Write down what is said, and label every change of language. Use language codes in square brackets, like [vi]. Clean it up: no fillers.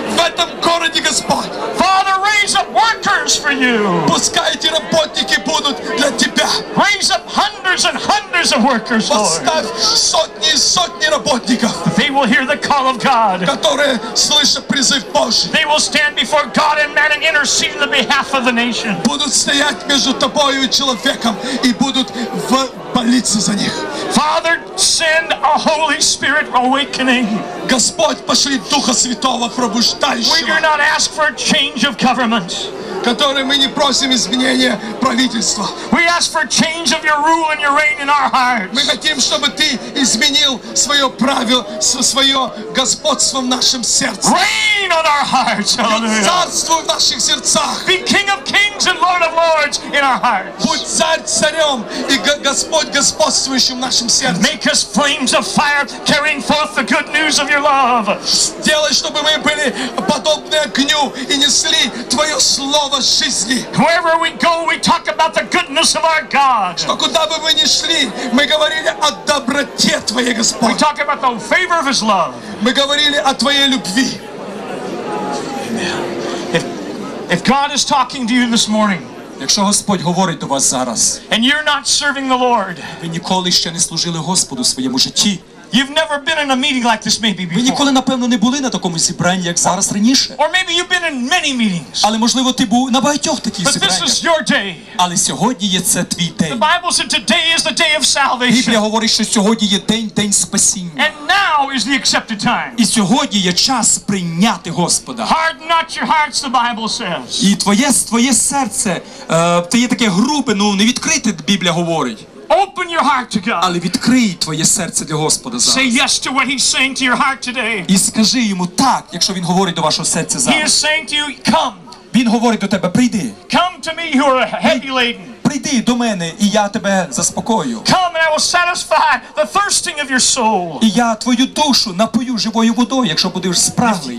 [ru] В этом городе, Господь. [en] Father, raise up workers for you. [ru] Пускай эти работники будут для тебя. [en] Raise up hundreds and hundreds of workers, Lord. [ru] Поставь сотни и сотни работников. [en] They will hear the call of God. [ru] Которые слышат призыв Божий. [en] They will stand before God and man and intercede on the behalf of the nation. [ru] Будут стоять между тобой и человеком и будут в молиться за них. [en] Father, send a Holy Spirit awakening. [ru] Господь, пошли Духа Святого пробуждающего. [en] We do not ask for a change of government. [ru] Который мы не просим изменения правительства. [en] We ask for a change of your rule and your reign in our hearts. [ru] Мы хотим, чтобы ты изменил свое правило, свое господство в нашем сердце. [en] Reign on our hearts. Hallelujah. [ru] Царствуй в наших сердцах. [en] Be King of Kings and Lord of Lords in our hearts. [ru] Будь царь-царем и Господь господствующим в нашем сердце. [en] Make us flames of fire carrying forth the good news of your love. [ru] Сделай, чтобы мы были подобны огню и несли твое слово жизни. [en] Wherever we go, we talk about the goodness of our God. [ru] Что куда бы мы ни шли, мы говорили о доброте твоей, Господь. [en] We talk about the favor of his love. [ru] Мы говорили о твоей любви. [en] If God is talking to you this morning, [uk] якщо Господь говорить до вас зараз, [en] and you're not serving the Lord, [uk] ви ніколи ще не служили Господу в своєму житті, [en] you've never been in a meeting like this maybe before. [uk] Ви ніколи, напевно, не були на такому зібранні, як зараз раніше. [en] Or maybe you've been in many meetings. [uk] Але, можливо, ти був на багатьох таких зібраннях. [en] But this is your day. [uk] Але сьогодні є це твій день. [en] The Bible said today is the day of salvation. [uk] Біблія говорить, що сьогодні є день спасіння. [en] And now is the accepted time. [uk] І сьогодні є час прийняти Господа. [en] Harden not your hearts, the Bible says. [uk] І твоє серце, ти є таке грубе, ну, не відкрите, Біблія говорить. [en] Open your heart to God. [uk] Але відкрий твоє серце для Господа зараз. [en] Say yes to what he's saying to your heart today. [uk] І скажи йому так, якщо він говорить до вашого серця зараз. [en] He is saying to you, come. [uk] Він говорить до тебе: прийди. [en] Come to me, you are heavy laden. [uk] Прийди до мене, і я тебе заспокою. [en] Come and I will satisfy the thirsting of your soul. [uk] І я твою душу напою живою водою, якщо будеш спраглий.